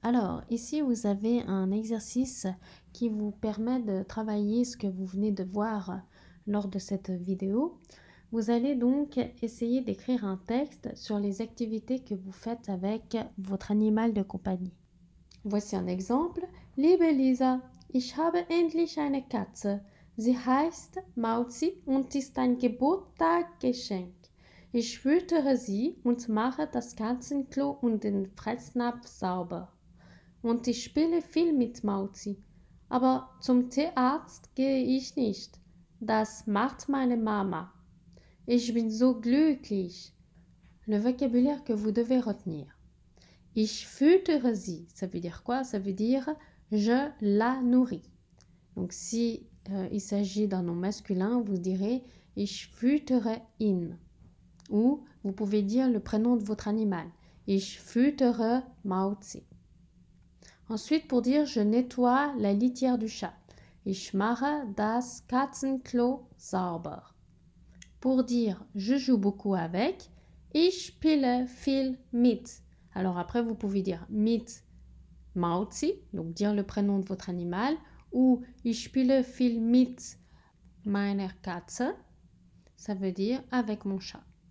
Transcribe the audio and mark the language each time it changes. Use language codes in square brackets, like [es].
[fr] Alors, ici, vous avez un exercice qui vous permet de travailler ce que vous venez de voir lors de cette vidéo. Vous allez donc essayer d'écrire un texte sur les activités que vous faites avec votre animal de compagnie. Voici un exemple. [de] Liebe Lisa, ich habe endlich eine Katze. Sie heißt Mauzi und ist ein Geburtstagsgeschenk. Ich füttere sie und mache das Katzenklo und den Fressnapf sauber. Und ich spiele viel mit Mauzi. Aber zum Tierarzt gehe ich nicht. Das macht meine Mama. Ich bin so glücklich. [fr] Le vocabulaire que vous devez retenir. [de] Ich füttere sie. [fr] Ça veut dire quoi? Ça veut dire je la nourris. Donc si il s'agit d'un nom masculin, vous direz [de] ich füttere ihn. [fr] Ou vous pouvez dire le prénom de votre animal. [de] Ich füttere Mauzi. [fr] Ensuite, pour dire je nettoie la litière du chat. [de] Ich mache das Katzenklo sauber. [fr] Pour dire « je joue beaucoup avec », « [de] ich spiele viel mit [fr] ». Alors après, vous pouvez dire « mit Mauzi, donc dire le prénom de votre animal, ou [de] ich spiele viel mit meiner Katze, [fr] ça veut dire avec mon chat.